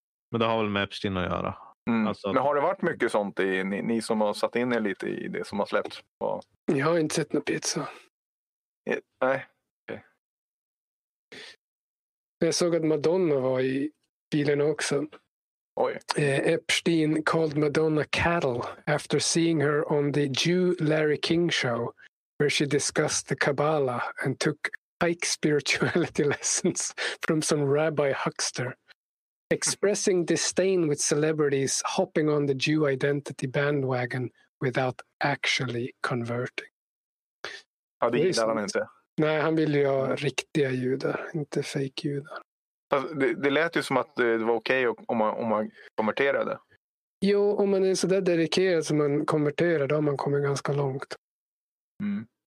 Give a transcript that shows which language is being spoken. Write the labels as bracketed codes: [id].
[sv] Men det har väl med Epstein att göra? Mm. Alltså, men har det varit mycket sånt i ni som har satt in er lite i det som har släppts? Jag har inte sett någon pizza. Nej. Okay. Jag såg att Madonna var i bilen också. Oj. [en] Epstein called Madonna cattle after seeing her on the Jew Larry King show where she discussed the Kabbalah and took pike spirituality lessons from some rabbi huckster. Expressing disdain with celebrities hopping on the Jew identity bandwagon without actually converting. [sv] Ja, det gillar han inte. Nej, han vill ju ha riktiga judar, inte fake judar. Det lät ju som att det var okej om man konverterade. Jo, om man är så där dedikerad som man konverterar, då har man kommit ganska långt. Mm.